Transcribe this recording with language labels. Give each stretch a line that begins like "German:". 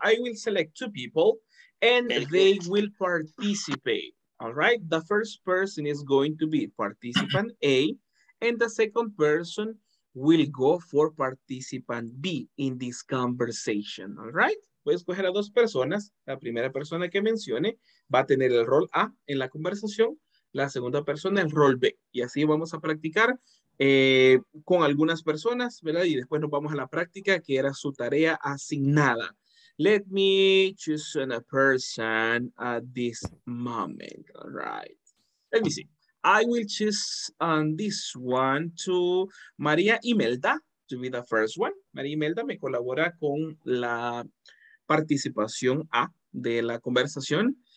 English: I will select two people and they will participate. All right. The first person is going to be participant A and the second person will go for participant B in this conversation. All right.
Spanish: voy a escoger a dos personas. La primera persona que mencione va a tener el rol A en la conversación, la segunda persona el rol B. Y así vamos a practicar con algunas personas, ¿verdad? Y después nos vamos a la práctica, que era su tarea asignada.
English: Let me choose a person at this moment, all right? Let me see. I will choose on this one to María Imelda to be the first one.
Spanish: María Imelda me colabora con la participación A de la conversación.